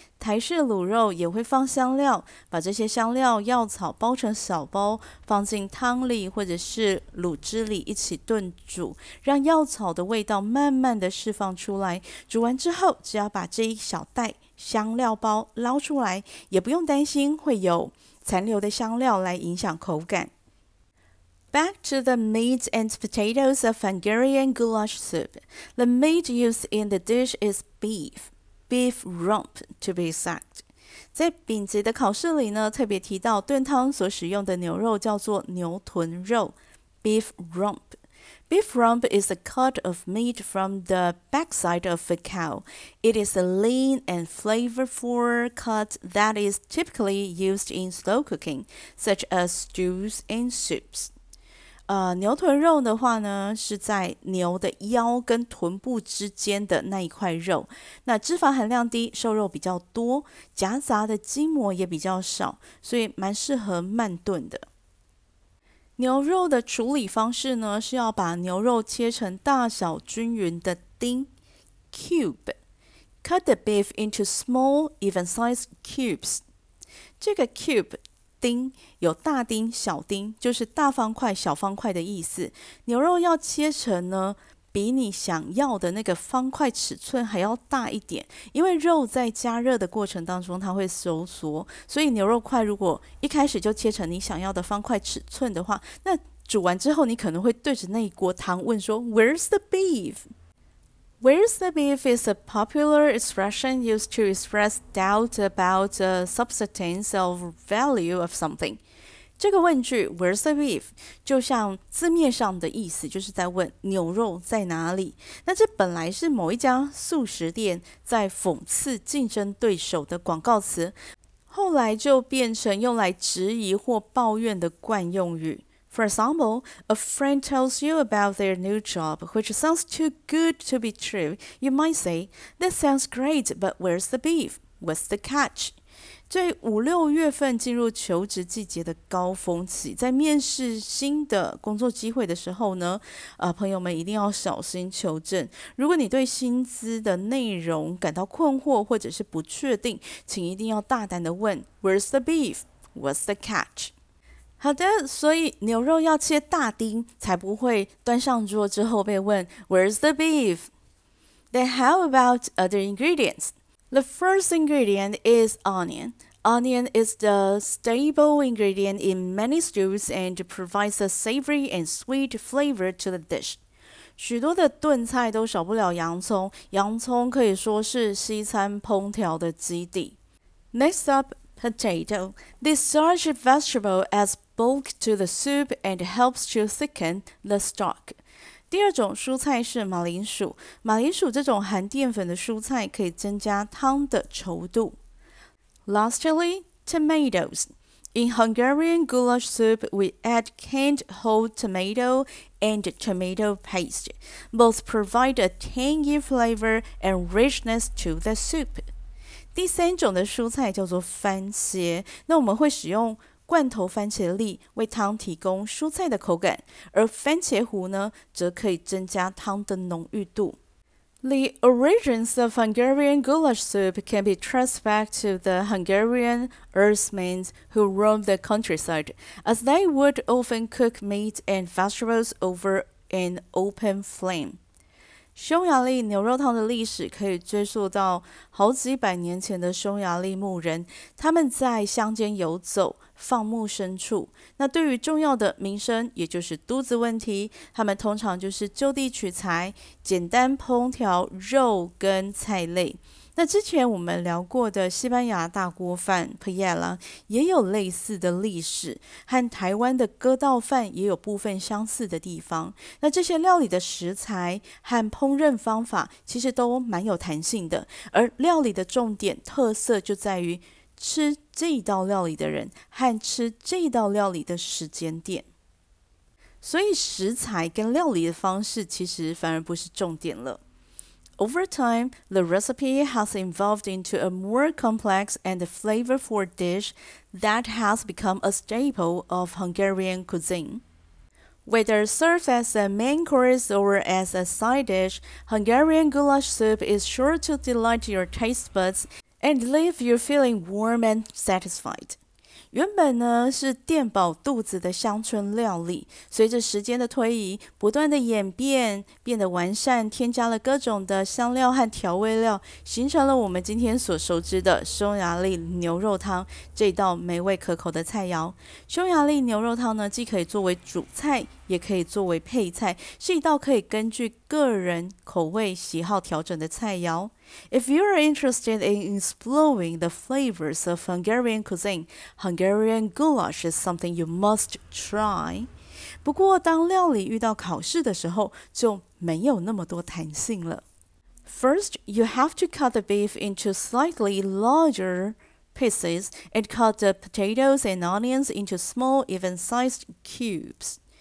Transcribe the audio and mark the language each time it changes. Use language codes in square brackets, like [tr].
[zh] 台式卤肉也会放香料，把这些香料药草包成小包，放进汤里或者是卤汁里一起炖煮，让药草的味道慢慢的释放出来。煮完之后，只要把这一小袋香料包捞出来，也不用担心会有残留的香料来影响口感。 [en] Back to the meat and potatoes of Hungarian goulash soup. The meat used in the dish is beef rump to be exact. [zh] 在丙级的考试里呢，特别提到炖汤所使用的牛肉叫做牛臀肉 [en] beef rump. Beef rump is a cut of meat from the backside of a cow. It is a lean and flavorful cut that is typically used in slow cooking, such as stews and soups. [zh] 牛臀肉的话呢，是在牛的腰跟臀部之间的那一块肉，那脂肪含量低，瘦肉比较多，夹杂的筋膜也比较少，所以蛮适合慢炖的。牛肉的处理方式呢，是要把牛肉切成大小均匀的丁 （cube）。 [en] Cut the beef into small, even-sized cubes. [zh] 这个 cube 丁有大丁、小丁，就是大方块、小方块的意思。牛肉要切成呢，比你想要的那个方块尺寸还要大一点，因为肉在加热的过程当中它会收缩，所以牛肉块如果一开始就切成你想要的方块尺寸的话，那煮完之后你可能会对着那一锅汤问说 [en] "Where's the beef?" Where's the beef is a popular expression used to express doubt about the substance of value of something. [zh] 这个问句 [en] "Where's the beef?" [zh] 就像字面上的意思，就是在问牛肉在哪里。那这本来是某一家素食店在讽刺竞争对手的广告词，后来就变成用来质疑或抱怨的惯用语。 [en] For example, a friend tells you about their new job, which sounds too good to be true. You might say, "That sounds great, but where's the beef? What's the catch?" [zh] 在5、6月份进入求职季节的高峰期，在面试新的工作机会的时候呢，朋友们一定要小心求证。如果你对薪资的内容感到困惑或者是不确定，请一定要大胆的问 [en] "Where's the beef? What's the catch?" [zh] 好的，所以牛肉要切大丁，才不会端上桌之后被问 [en] "Where's the beef?" Then how about other ingredients? The first ingredient is onion. Onion is the staple ingredient in many stews and provides a savory and sweet flavor to the dish. [zh] 许多的炖菜都少不了洋葱，洋葱可以说是西餐烹调的基底。 [en] Next up,Potato. This starch vegetable adds bulk to the soup and helps to thicken the stock. [zh] 第二种蔬菜是马铃薯。马铃薯这种含淀粉的蔬菜可以增加汤的稠度。 [en] Lastly, tomatoes. In Hungarian goulash soup, we add canned whole tomato and tomato paste. Both provide a tangy flavor and richness to the soup. [zh] 第三种的蔬菜叫做番茄，那我们会使用罐头番茄粒为汤提供蔬菜的口感，而番茄糊呢，则可以增加汤的浓郁度。 [en] The origins of Hungarian goulash soup can be traced back to the Hungarian earthmen who roamed the countryside, as they would often cook meat and vegetables over an open flame. [zh] 匈牙利牛肉汤的历史可以追溯到好几百年前的匈牙利牧人，他们在乡间游走，放牧牲畜。那对于重要的民生，也就是肚子问题，他们通常就是就地取材，简单烹调肉跟菜类。那之前我们聊过的西班牙大锅饭 Paella 也有类似的历史，和台湾的割稻饭也有部分相似的地方。那这些料理的食材和烹饪方法其实都蛮有弹性的，而料理的重点特色就在于吃这道料理的人和吃这道料理的时间点。所以食材跟料理的方式其实反而不是重点了。 [en] Over time, the recipe has evolved into a more complex and flavorful dish that has become a staple of Hungarian cuisine. Whether served as a main course or as a side dish, Hungarian goulash soup is sure to delight your taste buds and leave you feeling warm and satisfied. [zh] 原本呢是垫饱肚子的乡村料理，随着时间的推移，不断的演变，变得完善，添加了各种的香料和调味料，形成了我们今天所熟知的匈牙利牛肉汤这道美味可口的菜肴。匈牙利牛肉汤呢，既可以作为主菜，也可以作为配菜，是一道可以根据个人口味喜好调整的菜肴。 [en] If you are interested in exploring the flavors of Hungarian cuisine, Hungarian goulash is something you must try. [zh] 不过当料理遇到考试的时候，就没有那么多弹性了。 [en] First, you have to cut the beef into slightly larger pieces and cut the potatoes and onions into small, even-sized cubes.